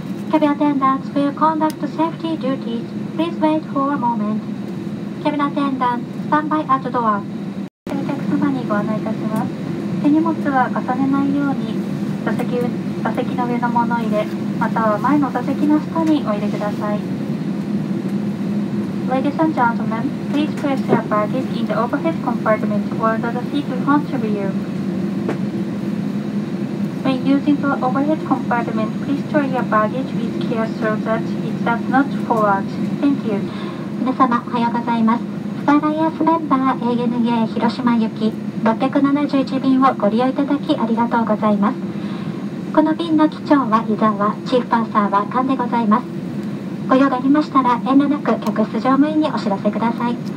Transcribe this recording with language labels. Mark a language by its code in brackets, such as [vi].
[en] Cabin attendants will conduct safety duties. Please wait for a moment. Cabin attendants, stand by at door. [ja] お客様にご案内いたします。手荷物は重ねないように座席の上の物入れ、または前の座席の下にお入れください。 [en] Ladies and gentlemen, please place your baggage in the overhead compartment or the seat in front of you. When using the overhead compartment, please store your baggage with care so that it does not fall out. Thank you. [ja] 皆様、おはようございます。スターライアンスメンバー ANA 広島行き671便をご利用いただきありがとうございます。この便の機長は伊沢、チーフパーサーは菅でございます。ご用がありましたら遠慮なく客室乗務員にお知らせください。